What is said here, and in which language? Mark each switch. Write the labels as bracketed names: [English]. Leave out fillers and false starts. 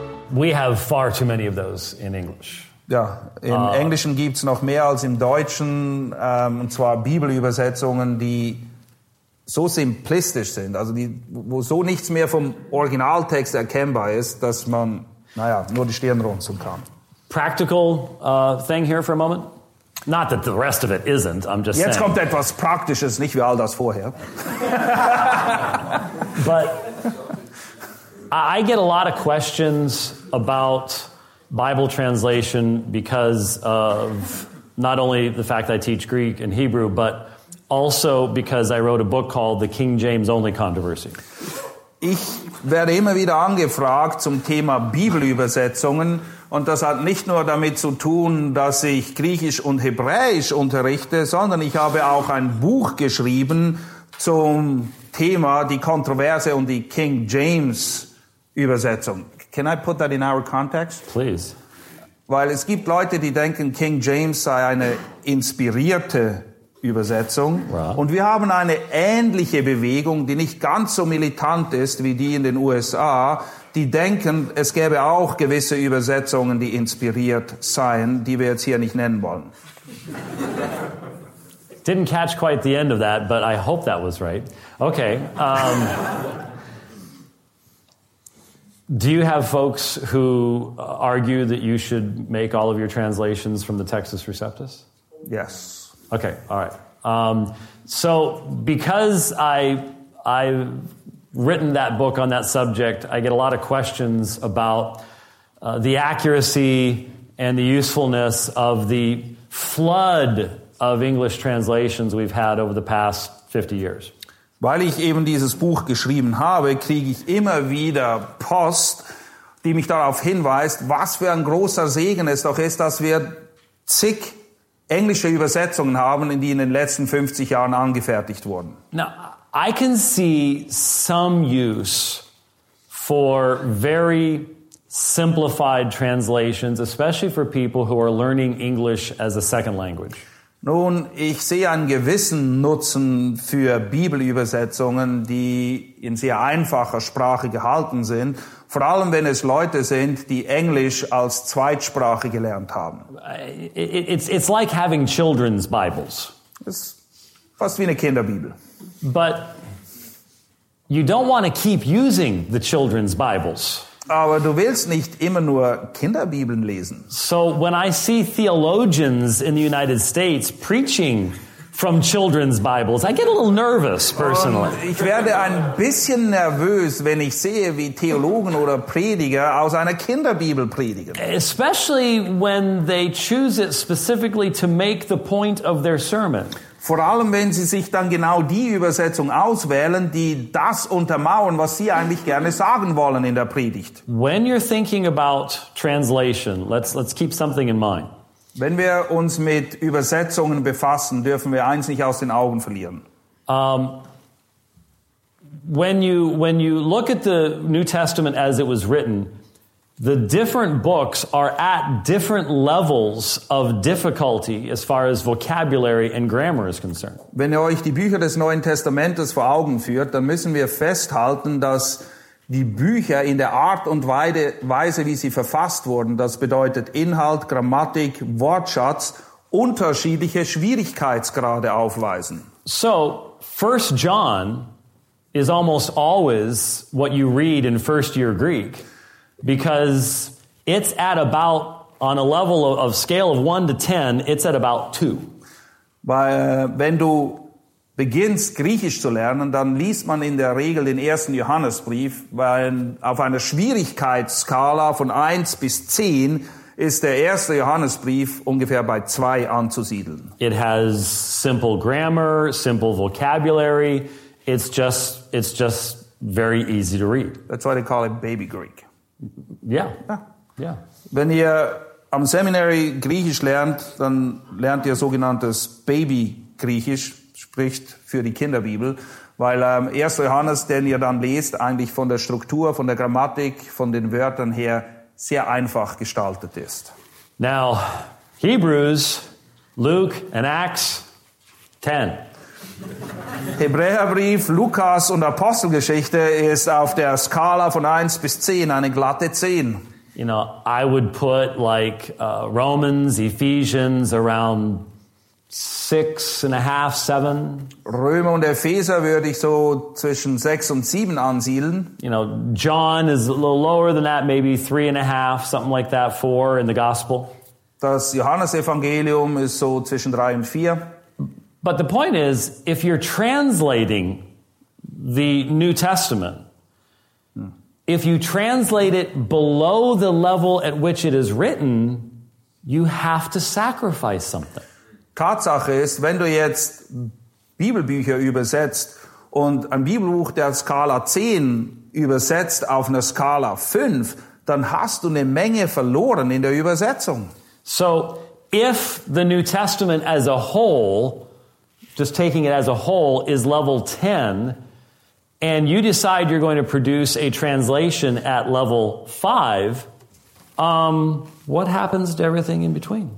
[English] We have far too many of those in English. [German] Ja, im Englischen gibt es noch mehr als im Deutschen, und zwar Bibelübersetzungen, die so simplistisch sind, also die, wo so nichts mehr vom Originaltext erkennbar ist, dass man, naja, nur die Stirn runzeln kann. [English] Practical thing here for a moment? Not that the rest of it isn't, I'm just saying. [German] Jetzt kommt etwas Praktisches, nicht wie all das vorher. [English] But I get a lot of questions about Bible translation because of not only the fact that I teach Greek and Hebrew, but also because I wrote a book called The King James Only Controversy. [German] Ich werde immer wieder angefragt zum Thema Bibelübersetzungen, und das hat nicht nur damit zu tun, dass ich Griechisch und Hebräisch unterrichte, sondern ich habe auch ein Buch geschrieben zum Thema die Kontroverse und die King James Übersetzung. [English] Can I put that in our context? Please. [German] Weil es gibt Leute, die denken, King James sei eine inspirierte Übersetzung. [English] Right. [German] Und wir haben eine ähnliche Bewegung, die nicht ganz so militant ist wie die in den USA, die denken, es gäbe auch gewisse Übersetzungen, die inspiriert seien, die wir jetzt hier nicht nennen wollen. [English] Didn't catch quite the end of that, but I hope that was right. Okay. Do you have folks who argue that you should make all of your translations from the Textus Receptus? Yes. Okay, all right. So because I've written that book on that subject, I get a lot of questions about the accuracy and the usefulness of the flood of English translations we've had over the past 50 years. [German] Weil ich eben dieses Buch geschrieben habe, kriege ich immer wieder Post, die mich darauf hinweist, was für ein großer Segen es doch ist, dass wir zig englische Übersetzungen haben, die in den letzten 50 Jahren angefertigt wurden. [English] Now, I can see some use for very simplified translations, especially for people who are learning English as a second language. [German] Nun, ich sehe einen gewissen Nutzen für Bibelübersetzungen, die in sehr einfacher Sprache gehalten sind, vor allem wenn es Leute sind, die Englisch als Zweitsprache gelernt haben. [English] It's like having children's Bibles. [German] Es ist fast wie eine Kinderbibel. [English] But you don't want to keep using the children's Bibles. [German] Aber du willst nicht immer nur Kinderbibeln lesen. [English] So when I see theologians in the United States preaching from children's Bibles, I get a little nervous personally. [German] Und ich werde ein bisschen nervös, wenn ich sehe, wie Theologen oder Prediger aus einer Kinderbibel predigen. [English] Especially when they choose it specifically to make the point of their sermon. [German] Vor allem, wenn sie sich dann genau die Übersetzung auswählen, die das untermauern, was sie eigentlich gerne sagen wollen in der Predigt. [English] When you're thinking about translation, let's keep something in mind. [German] Wenn wir uns mit Übersetzungen befassen, dürfen wir eins nicht aus den Augen verlieren. [English] When you look at the New Testament as it was written, the different books are at different levels of difficulty as far as vocabulary and grammar is concerned. [German] Wenn ihr euch die Bücher des Neuen Testamentes vor Augen führt, dann müssen wir festhalten, dass die Bücher in der Art und Weise, wie sie verfasst wurden, das bedeutet Inhalt, Grammatik, Wortschatz, unterschiedliche Schwierigkeitsgrade aufweisen. [English] So, 1 John is almost always what you read in first year Greek. Because it's at about, on a level of scale of 1 to 10, it's at about 2. [German] Weil, wenn du beginnst, Griechisch zu lernen, dann liest man in der Regel den ersten Johannesbrief, weil auf einer Schwierigkeitsskala von 1 bis 10 ist der erste Johannesbrief ungefähr bei 2 anzusiedeln. [English] It has simple grammar, simple vocabulary. It's just very easy to read. That's why they call it baby Greek. Yeah. Yeah. [German] Wenn ihr am Seminary Griechisch lernt, dann lernt ihr sogenanntes Baby-Griechisch, spricht für die Kinderbibel, weil 1. Johannes, den ihr dann lest, eigentlich von der Struktur, von der Grammatik, von den Wörtern her sehr einfach gestaltet ist. [English] Now, Hebrews, Luke and Acts 10. [German] Hebräerbrief, Lukas und Apostelgeschichte ist auf der Skala von 1 bis 10 eine glatte 10. [English] You know, I would put like Romans, Ephesians around 6.5, 7. [German] Römer und Epheser würde ich so zwischen 6 und 7 ansiedeln. [English] You know, John is a little lower than that, maybe 3.5, something like that, 4 in the gospel. [German] Das Johannesevangelium ist so zwischen 3 und 4. [English] But the point is, if you're translating the New Testament, if you translate it below the level at which it is written, you have to sacrifice something. [German] Tatsache ist, wenn du jetzt Bibelbücher übersetzt und ein Bibelbuch der Skala 10 übersetzt auf einer Skala 5, dann hast du eine Menge verloren in der Übersetzung. [English] So, if the New Testament as a whole, just taking it as a whole, is level 10, and you decide you're going to produce a translation at level 5, what happens to everything in between?